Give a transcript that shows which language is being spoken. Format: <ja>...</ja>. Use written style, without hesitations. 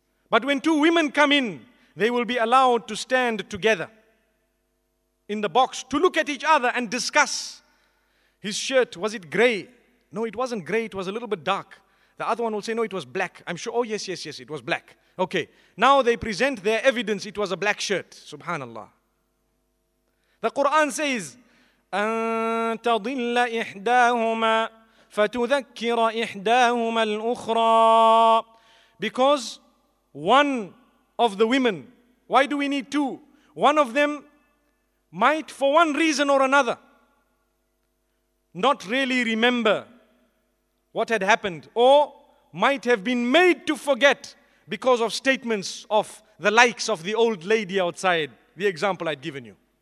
<en>But when two women come in, they will be allowed to stand together in the box to look at each other and discuss. His shirt, was it gray? No, it wasn't gray, it was a little bit dark. The other one will say, no, it was black. I'm sure, oh yes, yes, yes, it was black. Okay, now they present their evidence, it was a black shirt. Subhanallah. The Quran says,</en> <ar>أَنْتَضِلَّ إِحْدَاهُمَا فَتُذَكِّرَ إِحْدَاهُمَا الْأُخْرَى.</ar> <en>Because one of the women, why do we need two? One of them might, for one reason or another, not really remember what had happened, or might have been made to forget because of statements of the likes of the old lady outside, the example I'd given you.</en>